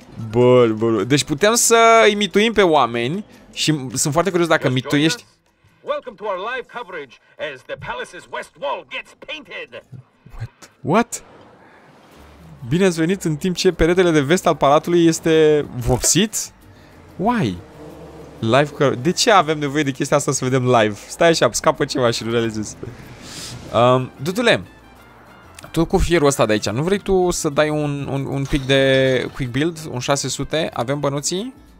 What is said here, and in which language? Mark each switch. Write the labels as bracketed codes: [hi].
[ro] Bun. Deci putem să imituim pe oameni. Și sunt foarte curios dacă mituiești... [en] Welcome to our live coverage as the palace's west wall gets painted. What? What? [ro] Bine ați venit în timp ce peretele de vest al palatului este vopsit? [en] Why? Live coverage. [ro] De ce avem nevoie de chestia asta să vedem live? Stai așa, scapă ceva și nu realizezi. Dudule, tu cu fierul ăsta de aici, nu vrei tu să dai un pic de quick build, un 600? Avem bănuții?